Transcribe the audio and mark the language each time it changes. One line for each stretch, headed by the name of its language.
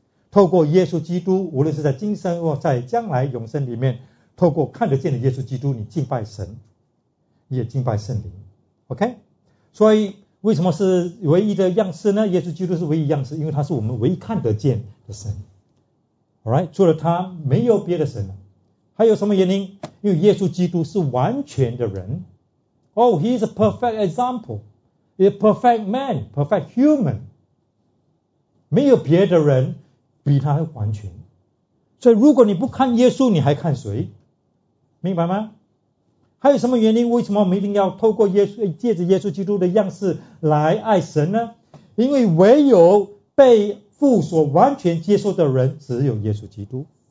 Chinese: 透过耶稣基督，无论是在今生或在将来永生里面，透过看得见的耶稣基督，你敬拜神，你也敬拜圣灵。 OK， 所以为什么是唯一的样式呢？耶稣基督是唯一样式，因为他是我们唯一看得见的神。 Alright， 除了他，没有别的神了。还有什么原因？因为耶稣基督是完全的人。
English: Oh, he is a perfect example. He is a perfect man, perfect human.
Chinese: 没有别的人比他完全。所以如果你不看耶稣，你还看谁？明白吗？还有什么原因？为什么我们一定要透过耶稣，借着耶稣基督的样式来爱神呢？因为唯有被父所完全接受的人，只有耶稣基督。